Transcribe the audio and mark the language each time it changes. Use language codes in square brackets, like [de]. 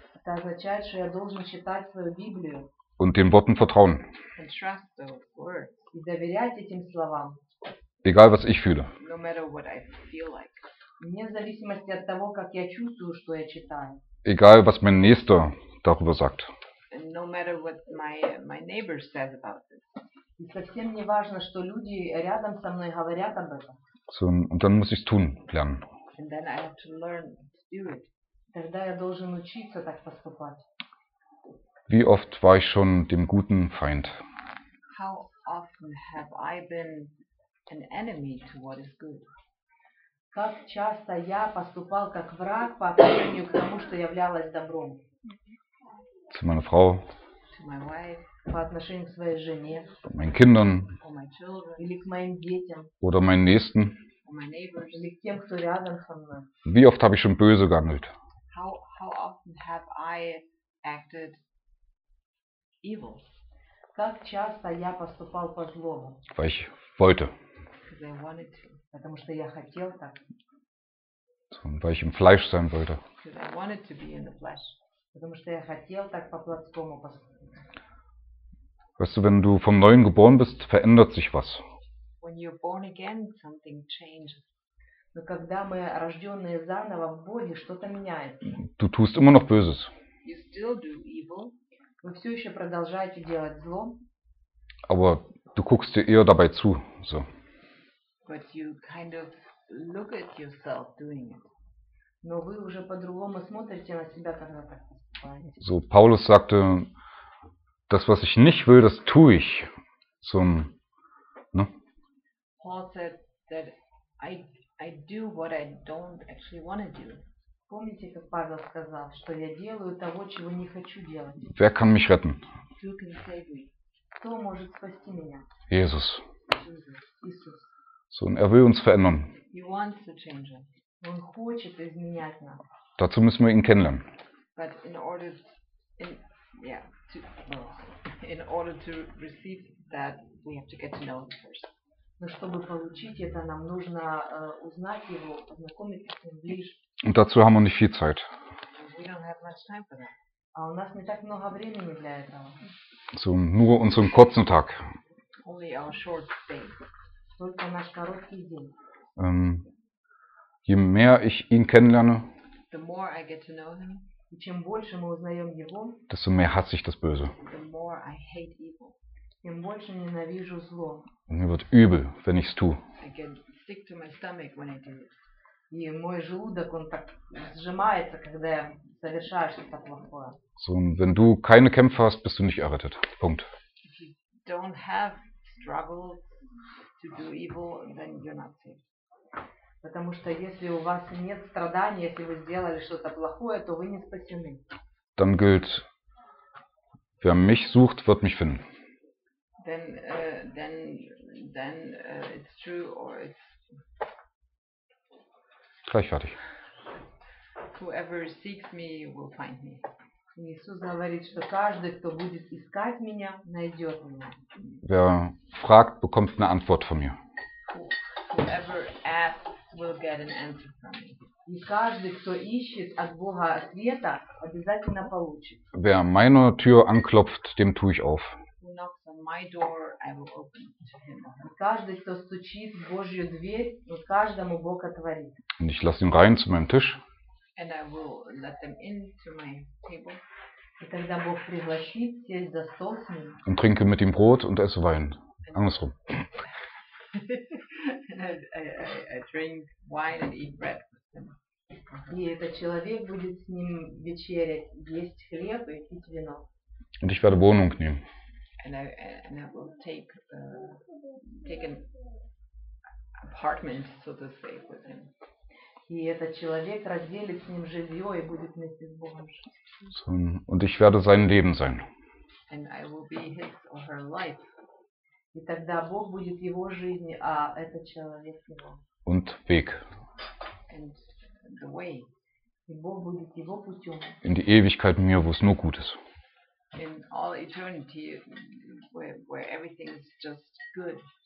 [ru] Это означает, что я должен читать свою Библию. [de] Und den Worten vertrauen. [en] And trust the words. [ru] И доверять этим словам. [de] Egal, was ich fühle. [en] No matter what I feel like. [ru] Вне зависимости от того, как я чувствую, что я читаю. [de] Egal, was mein Nächster darüber sagt. [en] And no matter what my neighbor says about this. [ru] И совсем не важно, что люди рядом со мной говорят об этом. [de] So, und dann muss ich es tun, lernen. [en] And then I have to learn to do it. [ru] Тогда я должен учиться так поступать. [de] Wie oft war ich schon dem guten Feind? [en] How often have I been an enemy to what is good? [ru] Как часто я поступал как враг по отношению к тому, что являлось добром? [de] Zu meiner Frau. [en] To my wife. [ru] По отношению к своей жене. [en] To my [de] kindern. [en] To my children. [ru] Или к моим детям. [de] Oder meinen Nächsten. [en] To my neighbors. [ru] Или к тем, кто рядом со мной. [de] Wie oft habe ich schon böse gehandelt? [en] How often have I acted evil? [ru] Как часто я поступал по злому? [de] Weil ich wollte. [en] Because I wanted to. [ru] Потому что я хотел так. [de] Weil ich im Fleisch sein wollte. [en] Because I wanted to be in the flesh. [ru] Потому что я хотел так по плотскому поступать. [de] Weißt du, wenn du von Neuem geboren bist, verändert sich was. [en] When you're born again, something changes. [ru] Но когда мы рожденные заново в Боге, что-то меняется. [de] Du tust immer noch Böses. [en] You still do evil. [ru] Вы все еще продолжаете делать зло. [de] Aber du guckst dir eher dabei zu, so. [en] But you kind of look at yourself doing it. [ru] Но вы уже по-другому смотрите на себя, когда так поступаете. [de] So, Paulus sagte, das, was ich nicht will, das tue ich. Zum, ne? [en] Paul said that I do what I don't actually want to do. [ru] Помните, как Павел сказал, что я делаю того, чего не хочу делать. [de] Wer kann mich retten? [en] Who can save me? [ru] Кто может спасти меня? [de] Jesus. [ru] Иисус. [de] So, und er will uns verändern. [en] He wants to change us. [ru] Он хочет изменять нас. [de] Dazu müssen wir ihn kennenlernen. [en] But in order to receive that, we have to get to know him first. [ru] Но чтобы получить это, нам нужно узнать его, познакомиться с ним ближе. [de] Und dazu haben wir nicht viel Zeit. [en] We don't have much time for that. [ru] А у нас не так много времени для этого. [de] So, nur unseren kurzen Tag. [en] Only our short day. [ru] Только наш короткий день. [de] Je mehr ich ihn kennenlerne, [en] the more I get to know him, [ru] и чем больше мы узнаем его, [de] desto mehr hasse ich das Böse. [en] The more I hate evil. [ru] Тем больше ненавижу зло. [de] Und mir wird übel, wenn ich es tue. [en] I can stick to my stomach when I do it. [ru] И мой желудок, он так сжимается, когда я совершаю что-то плохое. [de] So, wenn du keine Kämpfe hast, bist du nicht errettet. Punkt. [en] If you don't have struggles to do evil, then you're not saved. [ru] Потому что если у вас нет страданий, если вы сделали что-то плохое, то вы не спасены. [de] Dann gilt, wer mich sucht, wird mich finden. [en] Then it's true or it's [de] gleich fertig. [en] Whoever seeks me will find me. [ru] Иисус говорит, что каждый, кто будет искать меня, найдет меня. [de] Wer fragt, bekommt eine Antwort von mir. [en] Whoever asks will get an answer from me. [ru] И каждый, кто ищет от Бога ответа, обязательно получит. [de] Wer meine Tür anklopft, dem tue ich auf. [en] Who knocks on my door, I will open to him. [ru] И каждый, кто стучит в Божью дверь, вот каждому Бог отворит. [de] Und ich lasse ihn rein zu meinem Tisch. [en] And I will let them in to my table. [ru] И когда Бог пригласит, сесть за стол с ним. [de] Und trinke mit ihm Brot und esse Wein. Andersrum. [en] I drink wine and eat bread with him. [ru] И этот человек будет с ним вечерять, есть хлеб и пить вино. [de] Und ich werde Wohnung nehmen. [en] And I will take an apartment, so to say, with him. [ru] И этот человек разделит с ним жилье и будет вместе с Богом жить. [de] So, und ich werde sein Leben sein. [en] And I will be his or her life. [ru] И тогда Бог будет его жизнью, а этот человек его. [de] Und Weg. [en] And the way. [ru] И Бог будет его путем. [de] In die Ewigkeit mir, wo es nur gut ist. [en] In all eternity, where everything is just good.